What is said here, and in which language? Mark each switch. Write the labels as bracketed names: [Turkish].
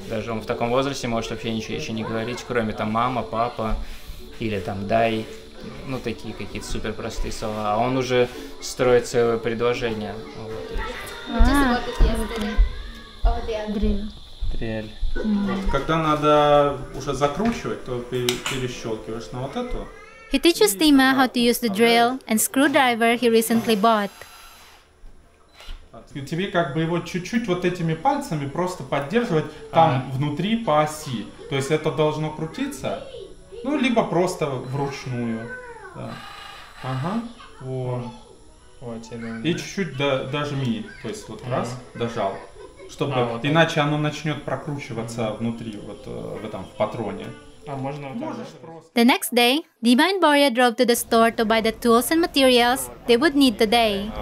[Russian] Даже он в таком возрасте может вообще ничего еще не говорить, кроме там мама, папа или там дай. Ну, такие какие-то супер простые слова. А он уже строит целое предложение. Вот. Когда надо уже закручивать, то перещелкиваешь на вот эту. [English] He teaches Tima how to use the drill and screwdriver he recently bought. [Russian] Тебе как бы его чуть-чуть вот этими пальцами просто поддерживать там внутри по оси. То есть это должно крутиться, ну, либо просто вручную. Да. Ага. Во. И чуть-чуть дожми, то есть вот раз, дожал. Чтобы, вот иначе оно начнет прокручиваться внутри, вот в этом, в патроне. [English] The next day, Dima and Borya drove to the store to buy the tools and materials they would need today.